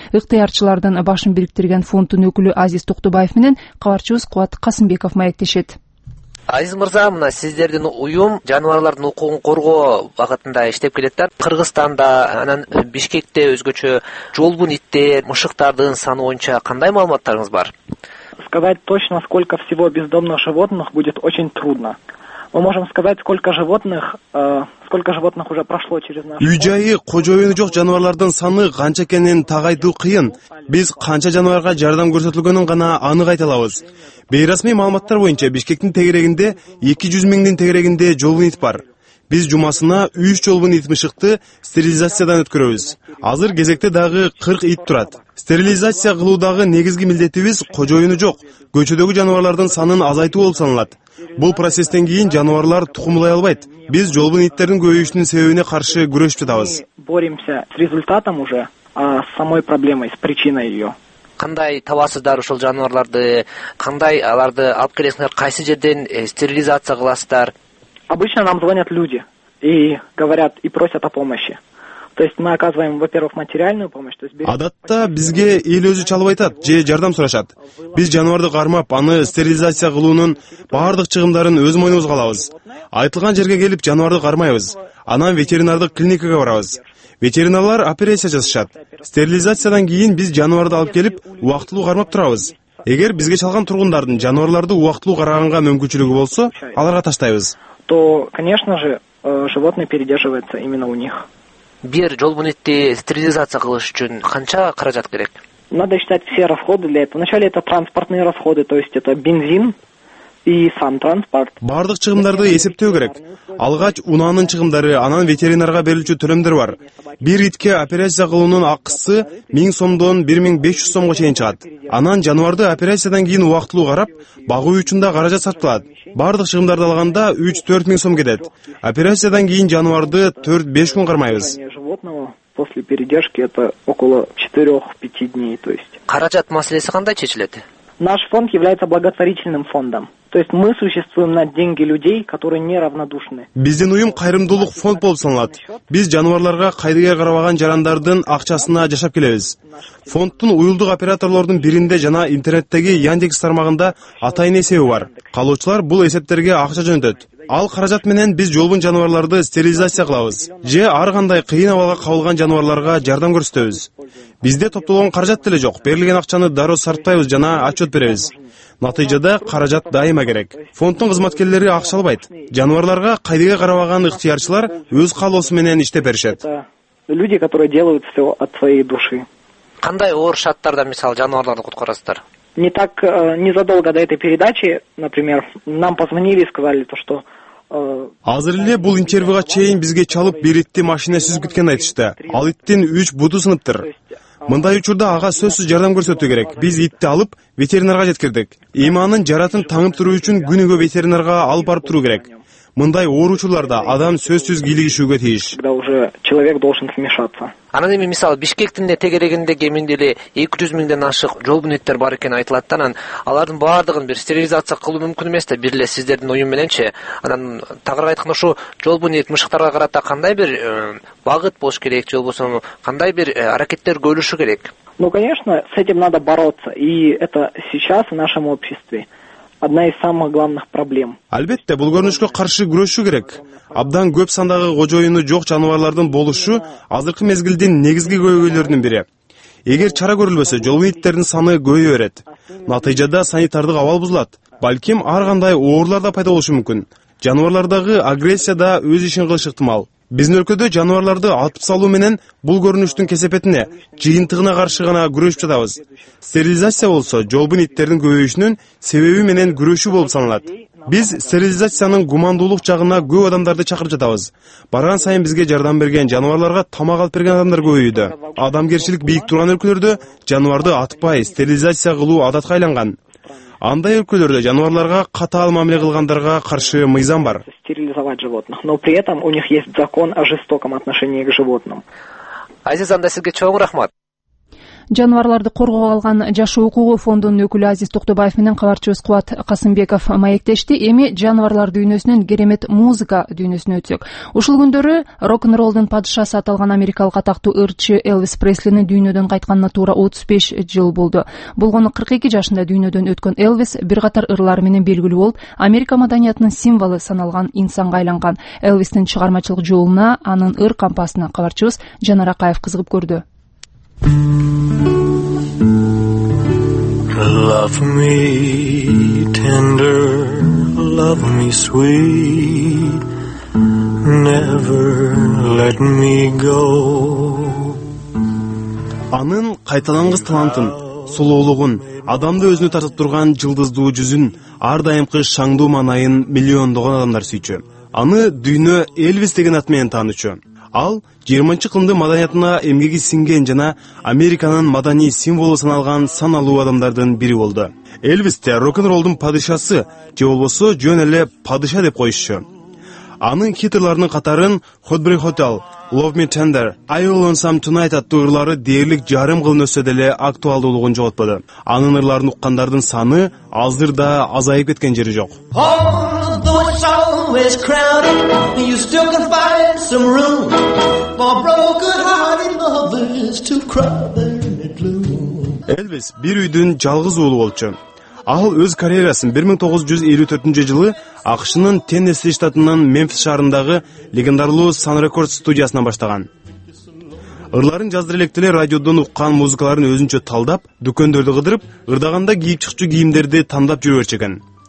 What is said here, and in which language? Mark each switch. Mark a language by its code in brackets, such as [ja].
[ky] Ыктыярчылардын башын бириктирген фонддун өкүлү Азиз Токтобаев менен кабарчыбыз Кубат Касымбеков маектешет. Азиз мырза, мына сиздердин уюм жаныбарлардын укугун коргоо багытында иштеп келет да. Кыргызстанда анан Бишкекте өзгөчө жолбун иттер, мышыктардын саны боюнча кандай маалыматтарыңыз бар? [ru] Сказать точно, сколько всего бездомных животных будет очень трудно. Мы можем сказать, сколько животных уже прошло через наш. [ky] Үй жайы, кожоюну жок жаныбарлардын саны канча экенин тагайтуу кыйын. Биз канча жаныбарга жардам көрсөтүлгөнүн гана анык айта алабыз. Бейрасмий маалыматтар боюнча Бишкектин тегерегинде 200 миңдин тегерегинде жолбун ит бар. Биз жумасына 3 жолбун ит мышыкты стерилизациядан өткөрөбүз. Азыр кезекте дагы 40 ит турат. Стерилизация кылуудагы негизги милдетибиз кожоюну жок көчөдөгү жаныбарлардын санын азайтуу болуп саналат. Бул процесстен кийин жаныбарлар тукумлай албайт. Биз жолбун иттердин көбөйүшүнүн себебине каршы күрөшүп жатабыз. [ru] Боремся с результатом уже, а с самой проблемой, с причиной её. [ky] Кандай табасыздар ушул жаныбарларды, кандай аларды алып келесиңер, кайсы жерден стерилизация кыласыздар? [ru] Обычно нам звонят люди и говорят и просят о помощи. То есть мы оказываем, во-первых, материальную помощь, то есть [ky] Адатта бизге эл өзү чалып айтат, же жардам сурашат. Биз жаныбарды кармап, аны стерилизация кылуунун бардык чыгымдарын өз мойнубузга алабыз. Айтылган жерге келип жаныбарды кармайбыз. Анан ветеринардык клиникага барабыз. Ветеринарлар операция жасашат. Стерилизациядан кийин биз жаныбарды алып келип, убактылуу кармап турабыз. Эгер бизге чалган тургундардын жаныбарларды убактылуу караганга мүмкүнчүлүгү болсо, аларга таштайбыз. [ru] То, конечно же, животное передерживается именно у них. [ky] Бир жолбун итти стерилизация кылыш үчүн канча каражат керек? [ru] Надо считать все расходы для этого. Вначале это транспортные расходы, то есть это бензин и сам транспорт. [ky] Бардык чыгымдарды эсептөө керек. Алгач унаанын чыгымдары, анан ветеринарга берилчү төлөмдөр бар. Бир итке операция кылуунун акысы 1000 сомдон 1500 сомго чейин чыгат. Анан жаныбарды операциядан кийин убактылуу карап, багуу үчүн да каражат сатылат. Бардык чыгымдарды алганда 3-4 миң сом кетет. Операциядан кийин жаныбарды 4-5 күн кармайбыз. [ru] После передержки это около 4-5 дней, то есть [ky] каражат маселеси кандай чечилет? [ru] Наш фонд является благотворительным фондом. То есть мы существуем на деньги людей, которые не равнодушны. [ky] Биздин уюм кайрымдуулук фонд болуп саналат. Биз жаныбарларга кайрыга карабаган жарандардын акчасына жашап келебиз. Фонддун уюлдук операторлордун биринде жана интернеттеги Яндекс тармагында атайын эсеби бар. Калоочулар бул эсептерге акча жөнөтөт. Ал каражат менен биз жолбун жаныбарларды стерилизация кылабыз же ар кандай кыйын абалга кабылган жаныбарларга жардам көрсөтөбүз. Бизде топтолгон каражат деле жок, берилген акчаны дароо сарптайбыз жана отчет беребиз. Натыйжада каражат дайыма керек. Фонддун кызматкерлери акча албайт. Жаныбарларга кайдыга карабаган ыктыярчылар өз каалоосу менен иштеп беришет. [ru] Люди, которые делают все от своей души. [ky] Кандай оор шарттарда мисалы жаныбарларды куткарасыздар? [ru] Не так незадолго до этой передачи, например, нам позвонили и сказали то, что [ky] азыр эле бул интервьюга чейин бизге чалып бир итти машина сүзүп кеткенин айтышты. Ал иттин 3 буту сыныптыр. Мындай учурда ага сөзсүз жардам көрсөтүү керек. Биз итти алып ветеринарга жеткирдик. Эманын жаратын таңып туруу үчүн күнүгө ветеринарга алып барып туруу керек. Мындай оор учурларда адам сөзсүз кийлигишүүгө тийиш. [ru] Да уже человек должен вмешаться. [ky] Анан эми мисалы Бишкектин тегерегинде кеминде эле 200 миңден ашык жолбун эттер бар экени айтылат да, анан алардын баардыгын бир стерилизация кылуу мүмкүн эмес да, бир эле сиздердин уюм мененчи. Анан тагыраак айтканда ушу жолбун эт мышыктарга карата кандай бир багыт болуш керек, же болбосо кандай бир аракеттер көрүлүшү керек? [ru] Ну конечно, с этим надо бороться, и это сейчас в нашем обществе одна из самых главных проблем. [ky] Албетте, бул көрүнүшкө каршы күрөшүү керек. Абдан көп сандагы кожоюну жок жаныбарлардын болушу азыркы мезгилдин негизги көйгөйлөрүнүн бири. Эгер чара көрүлбөсө, жолбун иттердин саны көбөйө берет. Натыйжада санитардык абал бузулат. Балким ар кандай оорулар да пайда болушу мүмкүн. Жаныбарлардагы агрессия да өз ишин кылышы ыктымал. Биздин өлкөдө жаныбарларды атып салуу менен бул көрүнүштүн кесепетине, жыйынтыгына каршы гана күрөшүп жатабыз. Стерилизация болсо жолбун иттердин көбөйүшүнүн себеби менен күрөшүү болуп саналат. Биз стерилизациянын гумандуулук жагына көп адамдарды чакырып жатабыз. Барган сайын бизге жардам берген жаныбарларга тамак алып берген адамдар көбөйүүдө. Адамгерчилик бийик турган өлкөлөрдө жаныбарды атпай стерилизация кылуу адатка айланган. Андай өлкөлөрдө жаныбарларга катаал мамиле кылгандарга каршы мыйзам бар. [ru] Стерилизовать животных, но при этом у них есть закон о жестоком отношении к животным. [ky] Азиз, анда сизге чоң рахмат. Жаныбарларды коргоого алган жашоо укугу фондунун өкүлү Азиз Токтобаев менен кабарчыбыз Кубат Касымбеков маектешти. Эми жаныбарлар дүйнөсүнүн керемет музыка дүйнөсүнө өтсөк. Ушул күндөрү рок-н-роллдун падышасы аталган америкалык атактуу ырчы Элвис Преслинин дүйнөдөн кайтканына туура 35 жыл болду. Болгону 42 жашында дүйнөдөн өткөн Элвис бир катар ырлар менен белгилүү болуп, Америка маданиятынын символу саналган инсанга айланган. Элвистин чыгармачылык жолуна, анын ыр кампасына кабарчыбыз Жанар Акаев кызыгып көрдү. [en] Love me tender, love me sweet, never let me go. [ky] Анын кайталангыс талантын, сулуулугун, адамды өзүнө тартып турган жылдыздуу жүзүн, ар дайымкы шаңдуу манайын миллиондогон адамдар сүйчү. Аны дүйнө Элвис деген ат менен таанычу. Ал 20-чы кылымдын маданиятына эмгеги сиңген жана Американын маданий символу саналган саналуу адамдардын бири болду. Элвис те рок-н-роллдун падышасы, же болбосо жөн эле падыша деп коюшчу. Анын хит-ырларынын катарын Hot Brick Hotel, Love Me Tender, I Will Want Some Tonight аттуу ырлары дээрлик жарым кылынөсө деле актуалдуулугун жоготподу. Анын ырларын уккандардын саны азыр да азайып кеткен жери жок. [en] Is crowded, you still can find some room for broken-hearted lovers to cry in gloom. [ky] Элвис бир үйдүн жалгыз уулу болчу. Ал өз карьерасын 1954 жылы АКШнын Теннесси штатынын Мемфис шаарындагы легендарлуу Sun Records студиясынан баштаган. Ырларын жаздыра электе эле радиодон уккан музыкаларын өзүнчө талдап, дүкөндөрдү кыдырып, ырдаганда кийип чыкчу кийимдерди тандап жүрө берчекен.